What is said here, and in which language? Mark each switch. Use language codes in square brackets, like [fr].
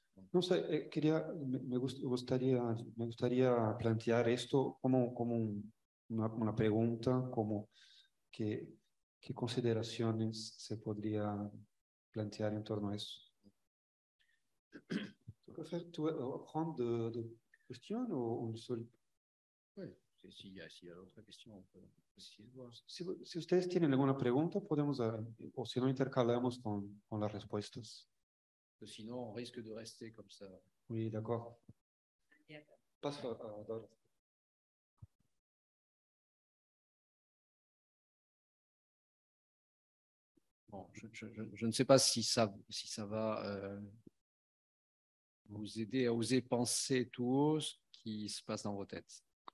[es] No sé, me gustaría plantear esto como una pregunta, como qué consideraciones se podría plantear en torno a eso. Sí. [fr] faire toi, prendre de questions ou une seule? Oui, s'il y a, si y a d'autres questions, on peut aussi le voir. [es] Si, si ustedes tienen alguna pregunta, podemos, o si no, intercalamos con las respuestas. [fr] Sinon, on risque de rester comme ça. Oui, d'accord. Yeah. Passe à Dorothée. Bon, je ne sais pas si ça va vous aider à oser penser tout haut ce qui se passe dans vos têtes.